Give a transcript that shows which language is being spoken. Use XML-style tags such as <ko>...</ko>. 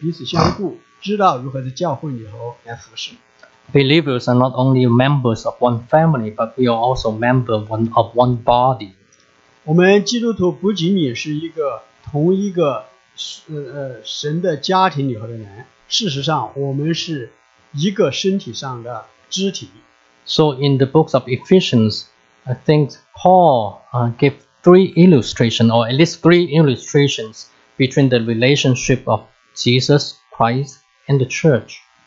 <zh>我们不仅仅是彼此相顾，以及我们不至于犯罪，彼此相顾，一起努力地向前行走，也要我们彼此相顾，知道如何在教会里头来服侍。</zh> <en>Believers are not only members of one family, but we are also members of one body.</en> <zh>我们基督徒不仅仅是一个同一个神的家庭里头的人，事实上我们是一个身体上的肢体。So</zh> <en>in the books of Ephesians, I think Paul gave three illustrations, or at least three illustrations, between the relationship of Jesus Christ and the church.</en>